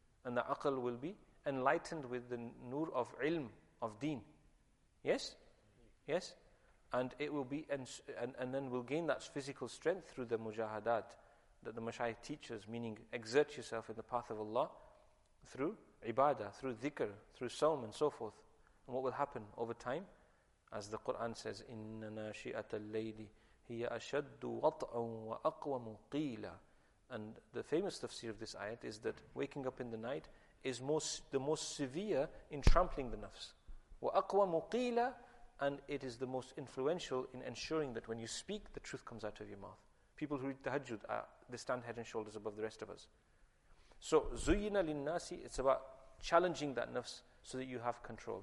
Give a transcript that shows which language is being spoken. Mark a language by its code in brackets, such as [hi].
[en] And the aql will be enlightened with the nur of ilm, of deen. Yes? Yes? And it will be, and then we'll gain that physical strength through the mujahadat that the mashayikh teaches, meaning exert yourself in the path of Allah through ibadah, through dhikr, through sawm and so forth. And what will happen over time? As the Quran says, [ar] إِنَّ نَاشِئَةَ اللَّيْلِ هِيَ أَشَدُّ وَطْعًا وَأَقْوَمُ قِيلًا. [en] And the famous tafsir of this ayat is that waking up in the night is the most severe in trampling the nafs. [ar] وَأَقْوَمُ قِيلًا. [en] And it is the most influential in ensuring that when you speak, the truth comes out of your mouth. People who read the tahajjud, they stand head and shoulders above the rest of us. So, [ar] زُيِّنَ لِلنَّاسِ, [en] it's about challenging that nafs so that you have control.